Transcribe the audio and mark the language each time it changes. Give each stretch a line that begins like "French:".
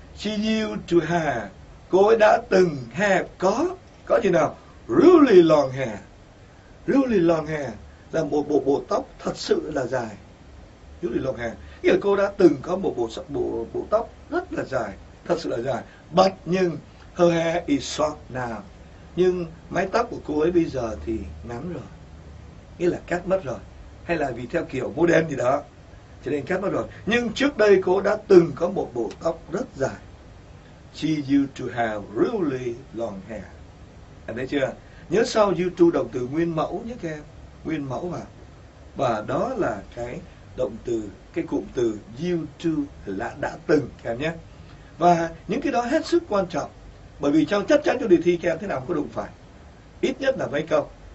English: She used to have.
Vietnamese: Cô ấy đã từng
English: have.
Vietnamese: Có gì nào?
English: Really long hair. Really long hair.
Vietnamese: Là một bộ tóc thật sự là dài.
English: Really long hair.
Vietnamese: Nghĩa là cô đã từng có một bộ tóc rất là dài. Thật sự là dài.
English: But
Vietnamese: nhưng
English: her hair is short now.
Vietnamese: Nhưng mái tóc của cô ấy bây giờ thì ngắn rồi. Nghĩa là cắt mất rồi. Hay là vì theo kiểu modern gì đó. Cho nên cắt mất rồi. Nhưng trước đây cô đã từng có một bộ tóc rất dài.
English: She used to have really long hair.
Vietnamese: Em thấy chưa? Nhớ sau used to động từ nguyên mẫu nhé các em. Nguyên mẫu mà. Và đó là cái động từ, cái cụm từ used to là đã từng các em nhé. Và những cái đó hết sức quan trọng. Bởi vì trong chắc chắn trong đề thi các em thế nào cũng có đụng phải. Ít nhất là mấy câu.